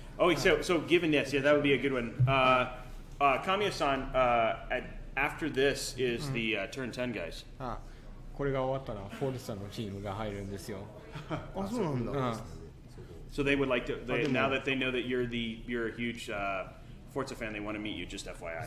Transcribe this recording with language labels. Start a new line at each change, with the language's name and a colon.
English: Oh, so given this, yeah, that would be a good one. Kamiya-san, after this is the turn 10 guys.
Japanese: Ah, これが終わったらフォルサのチームが入るんですよ。あ、そうなんだ。
English: So they would like to. They, now that they know that you're a huge. Forza fan, they want to meet you, just FYI.